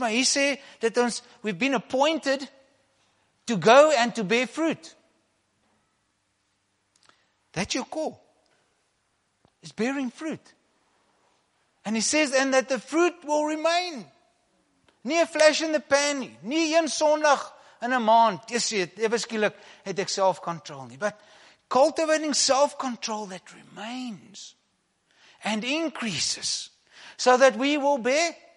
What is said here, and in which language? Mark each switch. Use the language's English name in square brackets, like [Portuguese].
[Afrikaans] Maar hier sê dat ons, [English] we've been appointed to go and to bear fruit. That's your call. It's bearing fruit. And he says, and that the fruit will remain. [Afrikaans] Nie [English] a flash in the pan, [Afrikaans] nie een sondag in 'n maand. Jy sê, ewesklik het ek self-control nie. [English] But cultivating self-control that remains and increases so that we will bear.